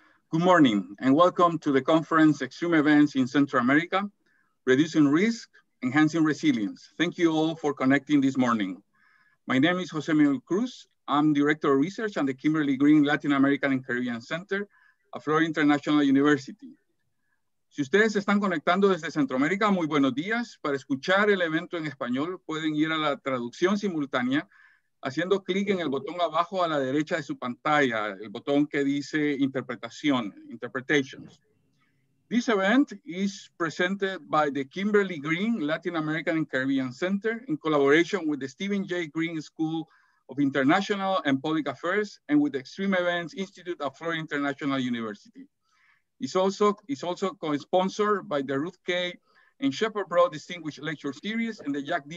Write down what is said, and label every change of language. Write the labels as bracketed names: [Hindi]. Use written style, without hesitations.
[English] Good morning and welcome to the conference Extreme Events in Central America, Reducing Risk, Enhancing Resilience. Thank you all for connecting this morning. My name is Jose Manuel Cruz. I'm Director of Research at the Kimberly Green Latin American and Caribbean Center at Florida International University. [Spanish] Si ustedes están conectando desde Centroamérica, muy buenos días. Para escuchar el evento en español, pueden ir a la traducción simultánea haciendo clic en el botón abajo a la derecha de su pantalla, el botón que dice interpretación, interpretations. [English] This event is presented by the Kimberly Green Latin American and Caribbean Center in collaboration with the Stephen J. Green School of International and Public Affairs and with the Extreme Events Institute of Florida International University. It's also co-sponsored by the Ruth K. and Shepherd Broad Distinguished Lecture Series and the Jack D.